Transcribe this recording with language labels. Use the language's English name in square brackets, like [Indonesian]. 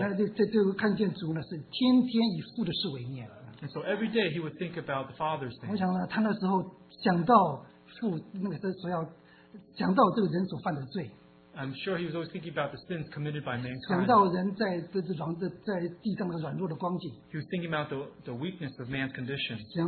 [Chinese] 那就看见主呢是天天以父的事为念。 [English] And so every day he would think about the Father's thing. [Chinese] 我想呢，他那时候想到父那个时候要讲到这个人所犯的罪。 [English] I'm sure he was always thinking about the sins committed by mankind. [Chinese] 想到人在地上的软弱的光景。 [English] He was thinking about the weakness of man's condition.